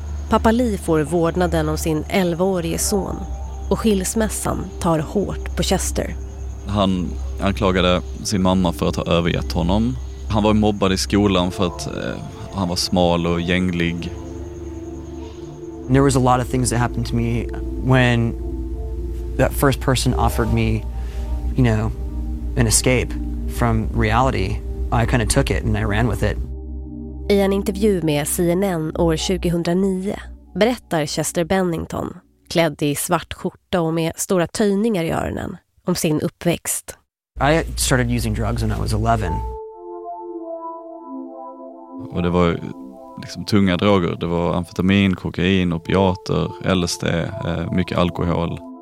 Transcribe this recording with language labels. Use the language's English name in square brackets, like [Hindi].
[Swedish] Pappa Lee får vårdnaden om sin 11-årige son. Och skilsmässan tar hårt på Chester. Han anklagade sin mamma för att ha övergett honom. Han var mobbad i skolan för att han var smal och gänglig. [English] There was a lot of things that happened to me when that first person offered me, you know, an escape from reality. I kind of took it and I ran with it. [Swedish] I en intervju med CNN år 2009 berättar Chester Bennington, klädd i svart skjorta och med stora töjningar i öronen, om sin uppväxt. [English] I started using drugs when I was 11. [Swedish] Och det var liksom tunga droger. Det var amfetamin, kokain, opiater, LSD, mycket alkohol.